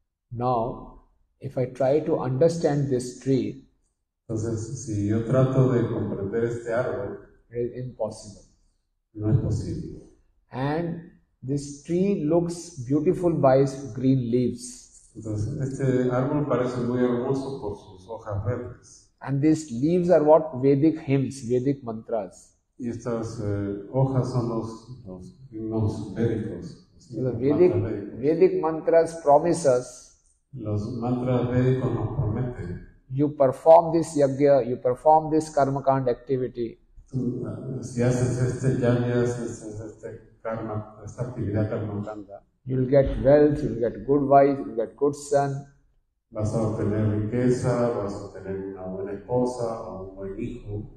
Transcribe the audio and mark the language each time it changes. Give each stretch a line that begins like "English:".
English: Now, if I try to understand this tree,
Spanish: entonces, si yo trato de comprender este árbol,
English: it is impossible.
Spanish: No es posible.
English: And this tree looks beautiful by its green leaves.
Spanish: Entonces, este árbol parece muy hermoso por sus hojas verdes.
English: And these leaves are what? Vedic hymns, Vedic mantras.
Spanish: Y estas hojas son los himnos védicos.
English: So the Vedic mantras promise us.
Spanish: Los mantras védicos nos prometen.
English: You perform this yagya, you perform this karmakanda activity.
Spanish: Si haces este yagya, si haces este karma, esta actividad karmakanda,
English: you'll get wealth, you'll get good wife, you'll get good son.
Spanish: Vas a obtener riqueza, vas a obtener una buena esposa o un buen hijo.